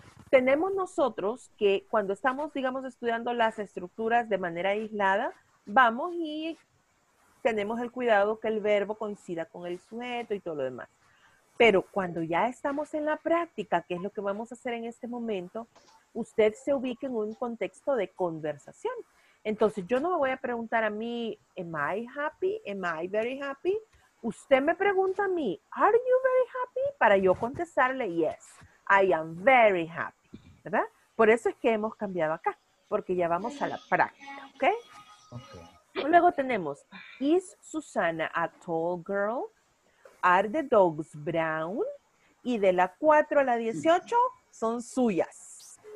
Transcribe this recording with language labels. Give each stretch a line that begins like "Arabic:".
Spanish: Tenemos nosotros que cuando estamos, digamos, estudiando las estructuras de manera aislada, vamos y tenemos el cuidado que el verbo coincida con el sujeto y todo lo demás. Pero cuando ya estamos en la práctica, que es lo que vamos a hacer en este momento, usted se ubica en un contexto de conversación. Entonces, yo no me voy a preguntar a mí,
English: am I happy? Am I very happy?
Spanish: Usted me pregunta a mí,
English: are you very happy?
Spanish: Para yo contestarle,
English: yes, I am very happy.
Spanish: ¿Verdad? Por eso es que hemos cambiado acá, porque ya vamos a la práctica.
English: ¿Ok? Ok.
Spanish: Luego tenemos,
English: is Susana a tall girl? Are the dogs brown?
Spanish: Y de la 4 a la 18 son suyas.